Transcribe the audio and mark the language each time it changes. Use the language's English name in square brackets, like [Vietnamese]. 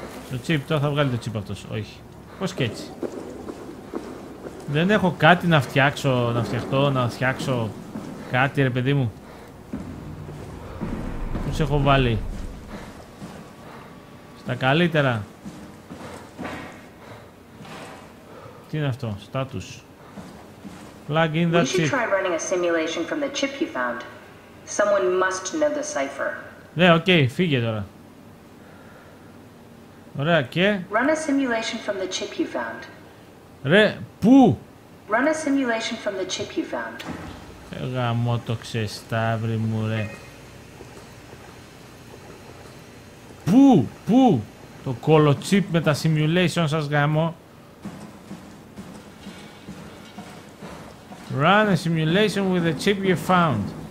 [Greek] Το τσιπ, τώρα θα βγάλει το τσιπ αυτός. Όχι. Πώς και έτσι. Δεν έχω κάτι να φτιάξω, να φτιαχτώ, να φτιάξω. Κάτι ρε παιδί μου. Πώς έχω βάλει. Στα καλύτερα. Τι είναι αυτό, status. [English] Plug in that chip. We should try running a simulation from the chip you found. Someone must know the cipher. [Greek] Ναι, οκ, okay, φύγε τώρα. Ωραία, και. [English] Run a simulation from the chip you found. [Greek] Ρε, πού. [English] Run a simulation from the chip you found. [Greek] Γαμώ το ξεσταύρι μου, ρε. Πού, πού. Το κολοτσιπ με τα simulation σας γαμώ. [English] Run a simulation with the chip you found.